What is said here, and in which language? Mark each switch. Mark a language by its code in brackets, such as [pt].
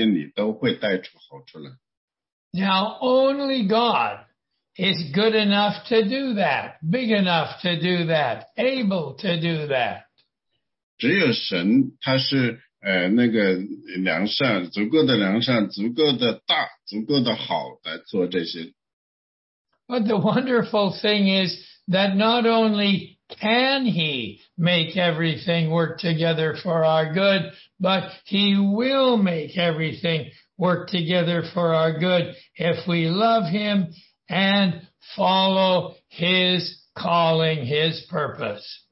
[zh] 第二件呢，就是说，这样的好事为我们好的事呢，是从我们人生中的任何一个处境里都会带出好处来。 [en] Now only God is good enough to do that, big enough to do that, able to do that. [zh] 只有神，他是那个良善，足够的良善，足够的大，足够的好的做这些。 [en] But the wonderful thing is that not only can he make everything work together for our good, but he will make everything work together for our good if we love him and follow his calling, his purpose.